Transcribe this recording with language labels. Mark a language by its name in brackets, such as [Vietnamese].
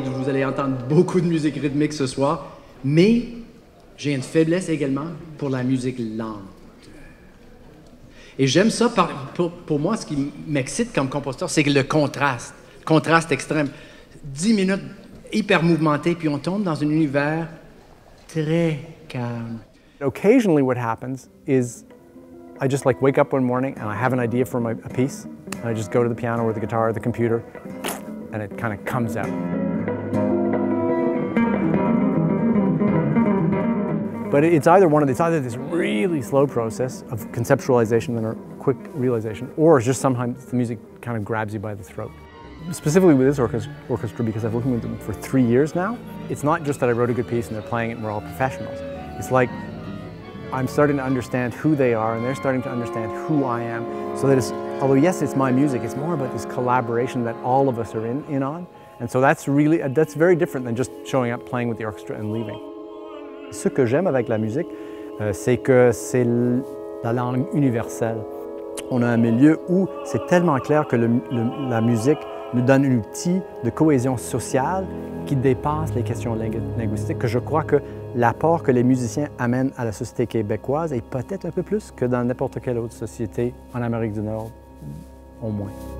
[French] Vous allez entendre beaucoup de musique rythmique ce soir. Mais j'ai une faiblesse également pour la musique lente. Et j'aime ça, pour moi, ce qui m'excite comme compositeur, c'est le contraste. Contraste extrême. 10 minutes hyper mouvementées, puis on tombe dans un univers très calme. [English] Occasionally, what happens is I just like wake up one morning and I have an idea for a piece, and I just go to the piano or the guitar or the computer, and it kind of comes out. But it's either one of these, either this really slow process of conceptualization and a quick realization, or just sometimes the music kind of grabs you by the throat. Specifically with this orchestra, because I've worked with them for 3 years now, it's not just that I wrote a good piece and they're playing it and we're all professionals. It's like I'm starting to understand who they are, and they're starting to understand who I am. So that it's, although yes, it's my music, it's more about this collaboration that all of us are in on. And so that's really, that's very different than just showing up, playing with the orchestra and leaving. [French] Ce que j'aime avec la musique, c'est que c'est la langue universelle. On a un milieu où c'est tellement clair que la musique nous donne un outil de cohésion sociale qui dépasse les questions linguistiques, que je crois que l'apport que les musiciens amènent à la société québécoise est peut-être un peu plus que dans n'importe quelle autre société en Amérique du Nord, au moins.